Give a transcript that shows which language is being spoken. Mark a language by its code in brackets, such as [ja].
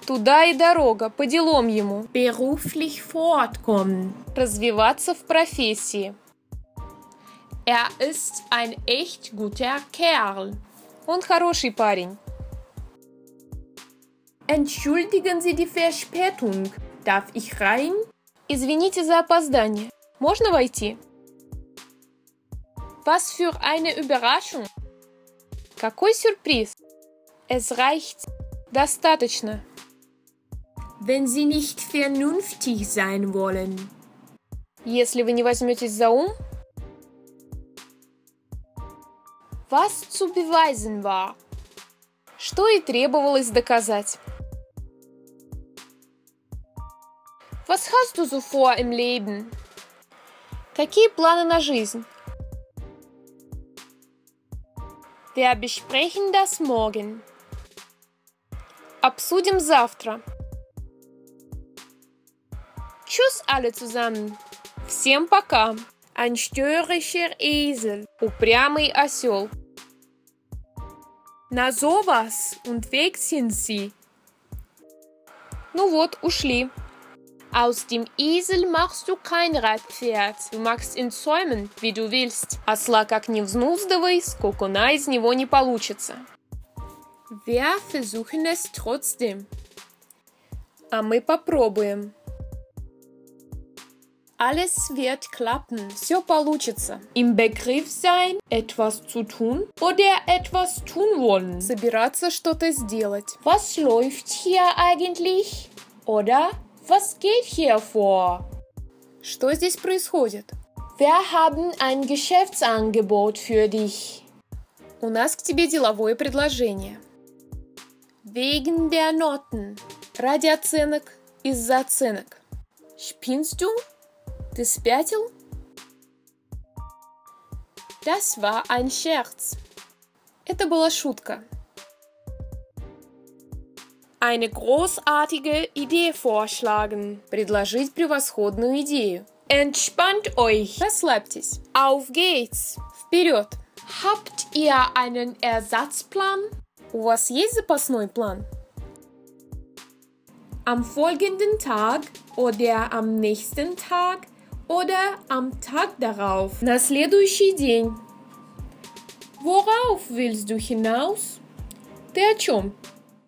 [ru] Туда и дорога, по делам ему. [de] Beruflich fortkommen. [ru] Развиваться в профессии. [de] Er ist ein echt guter Kerl. [ru] Он хороший парень. [de] Entschuldigen Sie die Verspätung. Darf ich rein? [ru] Извините за опоздание. Можно войти? [de] Was für eine Überraschung? [ru] Какой сюрприз? [de] Es reicht. [ru] Достаточно. [de] Wenn Sie nicht vernünftig sein wollen. [ru] Если вы не возьметесь за ум. [de] Was zu beweisen war. [ru] Что и требовалось доказать. [de] Was hast du so vor im Leben? [ru] Какие планы на жизнь? [de] Wir besprechen das morgen. [ru] Обсудим завтра. [de] Tschüss alle zusammen. [ru] Всем пока. [de] Ein störrischer Esel. [ru] Упрямый осел. [de] Na sowas, und weg sind sie. [ru] Ну вот, ушли. [de] Aus dem Esel machst du kein Radpferd. Du magst ihn zäumen, wie du willst. [ru] Осла как не взнуздывай, скокуна из него не получится. [de] Wir versuchen es trotzdem. [ru] А мы попробуем. [de] Alles wird klappen. [ru] Все получится. [de] Im Begriff sein, etwas zu tun oder etwas tun wollen. [ru] Собираться что-то сделать. [de] Was läuft hier eigentlich? Oder... Was geht hier vor? [ru] Что здесь происходит? [de] Wir haben ein Geschäftsangebot für dich. [ru] У нас к тебе деловое предложение. [de] Wegen der Noten. [ru] Ради оценок, из-за оценок. [de] Spinnst du? [ru] Ты спятил? [de] Das war ein Scherz. [ru] Это была шутка. [de] Eine großartige Idee vorschlagen. [ru] Предложить превосходную идею. [de] Entspannt euch. [ru] Расслабьтесь. [de] Auf geht's. [ru] Вперед. [de] Habt ihr einen Ersatzplan? [ru] У вас есть запасной план? [de] Am folgenden Tag oder am nächsten Tag oder am Tag darauf. [ru] На следующий день. [de] Worauf willst du hinaus? [ru] Ты о чем?